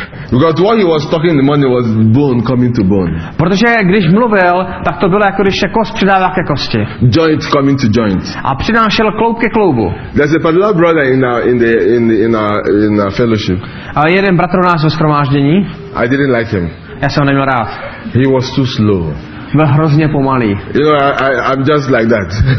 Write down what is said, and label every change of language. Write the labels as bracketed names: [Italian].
[English] Because what he was talking in the morning was bone coming to bone. [Czech] Protože když mluvil, tak to bylo jako když se kost přidává ke kosti. [English] Joint coming to joint. [Czech] A přinášel kloub ke kloubu. [English] There's a particular brother in our fellowship. [Czech] A jeden bratr u nás ve shromáždění. [English] I didn't like him. [Czech] Já jsem ho neměl rád. [English] He was too slow. [Czech] Byl hrozně pomalý. [English] You know, I'm just like that.